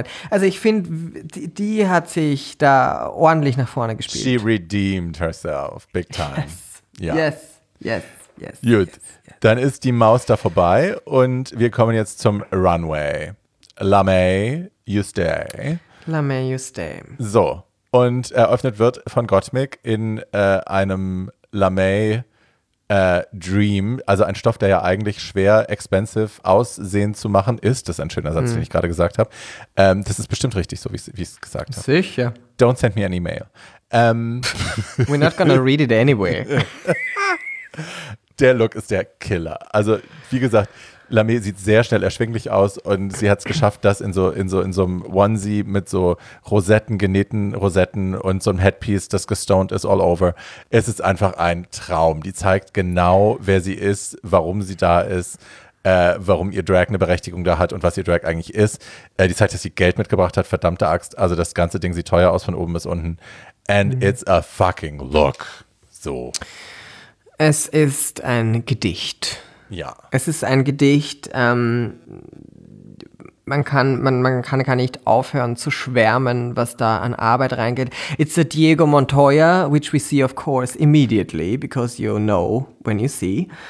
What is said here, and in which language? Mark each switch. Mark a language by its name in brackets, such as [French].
[German] Also ich finde, die hat sich da ordentlich nach vorne gespielt. [English] She redeemed herself big time. Yes, yeah. Yes, yes. Yes, [German] gut, [English] yes, yes. [German] Dann ist die Maus da vorbei und wir kommen jetzt zum Runway. [English] La May, you stay. La May, you stay. [German] So, und eröffnet wird von Gottmik in einem La May Dream, also ein Stoff, der ja eigentlich schwer expensive aussehen zu machen ist. Das ist ein schöner Satz, den ich gerade gesagt habe. Das ist bestimmt richtig, so wie ich es gesagt habe. Sicher. [English] Don't send me an email. We're not gonna read it anyway. [German] Der Look ist der Killer. Also, wie gesagt, Lamé sieht sehr schnell erschwinglich aus und sie hat es geschafft, das in so einem Onesie mit so Rosetten, genähten Rosetten und so einem Headpiece, das gestoned ist all over. Es ist einfach ein Traum. Die zeigt genau, wer sie ist, warum sie da ist, warum ihr Drag eine Berechtigung da hat und was ihr Drag eigentlich ist. Die zeigt, dass sie Geld mitgebracht hat, verdammte Axt. Also, das ganze Ding sieht teuer aus von oben bis unten. [English] And it's a fucking look. So. [German] Es ist ein Gedicht. Ja. Es ist ein Gedicht. Man kann gar nicht aufhören zu schwärmen, was da an Arbeit reingeht. [English] It's a Diego Montoya, which we see, of course, immediately, because you know when you see.